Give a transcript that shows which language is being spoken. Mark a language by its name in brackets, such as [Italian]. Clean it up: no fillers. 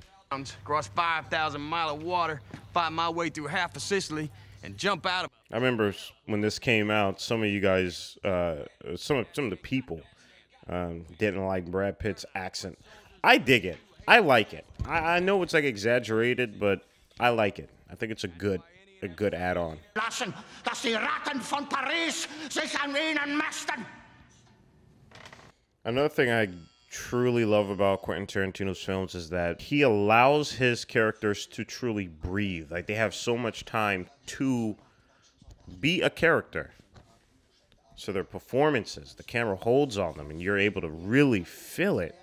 [English] Across 5,000 miles of water, find my way through half of Sicily, and jump out of... I remember when this came out, some of you guys, some of the people didn't like Brad Pitt's accent. I dig it. I like it. I know it's like exaggerated, but I like it. I think it's a good add-on. [German] Lassen, dass die Ratten von Paris sich an ihnen mästen. [English] Another thing I truly love about Quentin Tarantino's films is that he allows his characters to truly breathe. Like, they have so much time to be a character. So their performances, the camera holds on them, and you're able to really feel it.